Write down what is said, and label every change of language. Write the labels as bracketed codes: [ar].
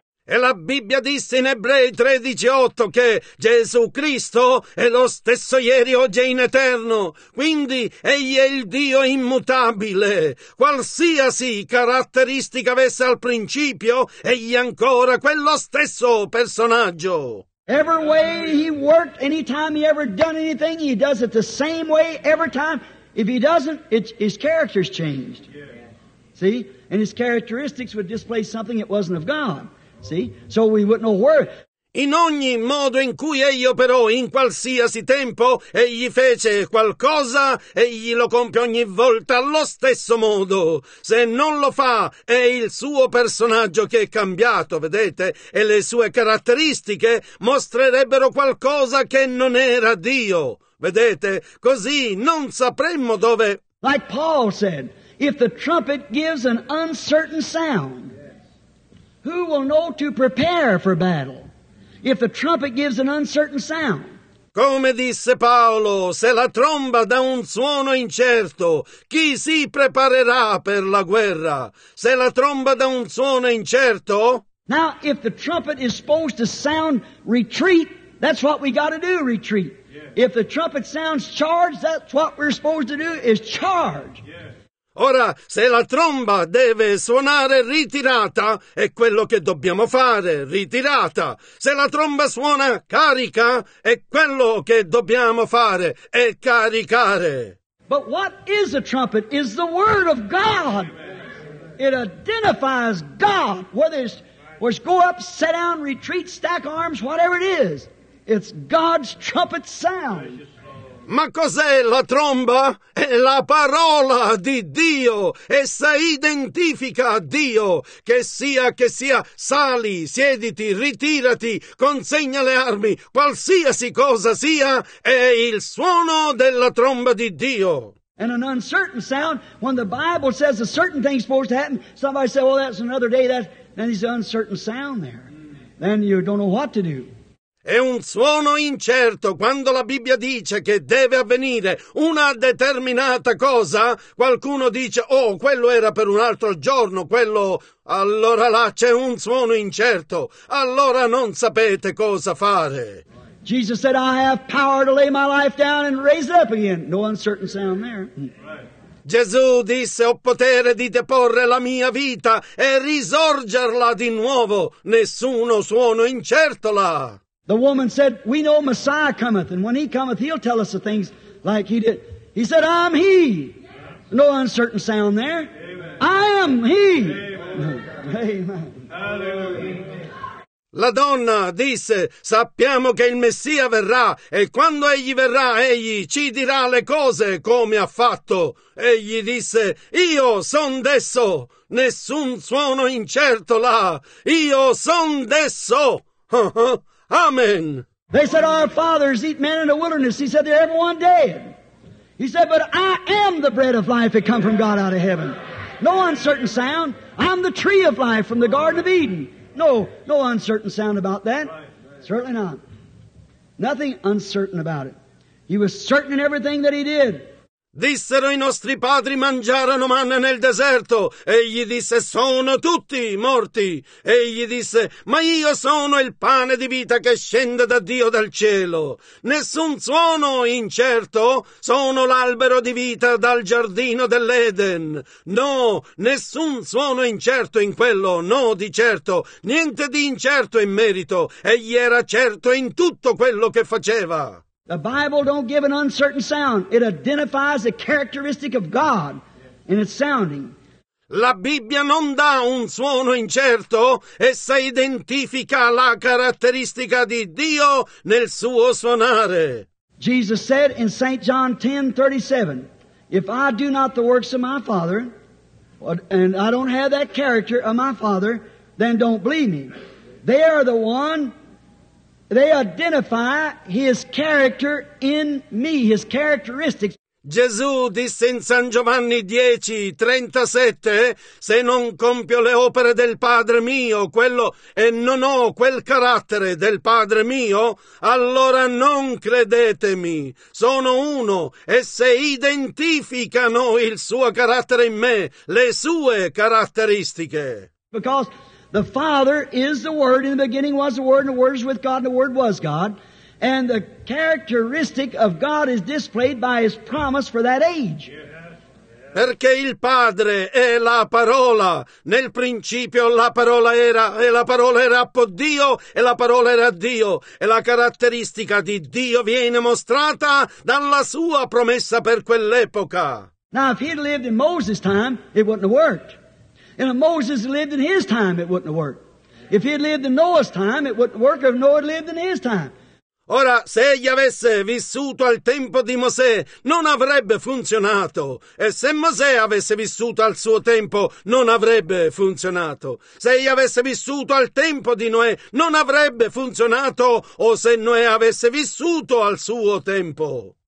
[it] E la Bibbia disse in Ebrei 13:8 che Gesù Cristo è lo stesso ieri, oggi e in eterno. Quindi egli è il Dio immutabile. Qualsiasi caratteristica avesse al principio, egli è ancora quello stesso personaggio. [en] Every way he worked, any time he ever done anything, he does it the same way every time. If he doesn't, his character's changed. See? And his characteristics would display something that wasn't of God. See? So we wouldn't know where. [it] In ogni modo in cui egli operò, in qualsiasi tempo, egli fece qualcosa, egli lo compie ogni volta allo stesso modo. Se non lo fa, è il suo personaggio che è cambiato, vedete? E le sue caratteristiche mostrerebbero qualcosa che non era Dio. Vedete? Così non sapremmo dove... [en] Like Paul said, if the trumpet gives an uncertain sound, who will know to prepare for battle if the trumpet gives an uncertain sound? [it] Come disse Paolo, se la tromba dà un suono incerto, chi si preparerà per la guerra? Se la tromba dà un suono incerto? [en] Now, if the trumpet is supposed to sound retreat, that's what we got to do, retreat. Yes. If the trumpet sounds charge, that's what we're supposed to do, is charge. Yes. [it] Ora, se la tromba deve suonare ritirata, è quello che dobbiamo fare, ritirata. Se la tromba suona carica, è quello che dobbiamo fare, è caricare. [en] But what is a trumpet? Is the word of God. It identifies God, whether it's go up, sit down, retreat, stack arms, whatever it is. It's God's trumpet sound. [it] Ma cos'è la tromba? È la parola di Dio. Essa identifica Dio. Che sia, sali, siediti, ritirati, consegna le armi, qualsiasi cosa sia, è il suono della tromba di Dio. [en] And an uncertain sound, when the Bible says a certain thing's supposed to happen, somebody says, well, that's another day, then there's an uncertain sound there. Then you don't know what to do. [it] È un suono incerto quando la Bibbia dice che deve avvenire una determinata cosa. Qualcuno dice, oh, quello era per un altro giorno, quello... Allora là c'è un suono incerto. Allora non sapete cosa fare. [en] Jesus said, I have power to lay my life down and raise it up again. No uncertain sound there. [it] Gesù disse, ho potere di deporre la mia vita e risorgerla di nuovo. Nessuno suono incerto là. [en] The woman said, we know Messiah cometh, and when he cometh, he'll tell us the things like he did. He said, I'm he. No uncertain sound there. Amen. I am he. Amen. Amen. Hallelujah. [it] La donna disse, sappiamo che il Messia verrà, e quando egli verrà, egli ci dirà le cose come ha fatto. Egli disse, io son desso. Nessun suono incerto là. Io son desso. Amen. [en] They said, our fathers eat manna in the wilderness. He said, they're everyone dead. He said, but I am the bread of life that come from God out of heaven. No uncertain sound. I'm the tree of life from the Garden of Eden. No uncertain sound about that. Certainly not. Nothing uncertain about it. He was certain in everything that he did. [it] Dissero i nostri padri mangiarono manna nel deserto. Egli disse, sono tutti morti. Egli disse, ma io sono il pane di vita che scende da Dio dal cielo. Nessun suono incerto, sono l'albero di vita dal giardino dell'Eden. No, nessun suono incerto in quello, no di certo, niente di incerto in merito. Egli era certo in tutto quello che faceva. [en] The Bible don't give an uncertain sound. It identifies the characteristic of God in its sounding. [it] La Bibbia non dà un suono incerto. Essa identifica la caratteristica di Dio nel suo suonare. [en] Jesus said in St. John 10:37, if I do not the works of my Father, and I don't have that character of my Father, then don't believe me. They are the one... They identify his character in me, his characteristics. [it] Gesù disse in San Giovanni 10:37, se non compio le opere del Padre mio, quello e non ho quel carattere del Padre mio, allora non credetemi. Sono uno e se identificano il suo carattere in me, le sue caratteristiche. [en] Because the Father is the Word. In the beginning was the Word, and the Word was with God, and the Word was God. And the characteristic of God is displayed by His promise for that age. Yes. [it] Perché il Padre è la parola. Nel principio la parola era, e la parola era per Dio, e la parola era Dio. E la caratteristica di Dio viene mostrata dalla sua promessa per quell'epoca. [en] Now, if he'd lived in Moses' time, it wouldn't have worked. And if Moses lived in his time, it wouldn't have worked. If he had lived in Noah's time, it wouldn't work. If Noah had lived in his time. [it] Ora, se egli avesse vissuto al tempo di Mosè, non avrebbe funzionato. E se Mosè avesse vissuto al suo tempo, non avrebbe funzionato. Se egli avesse vissuto al tempo di Noè, non avrebbe funzionato. O se Noè avesse vissuto al suo tempo.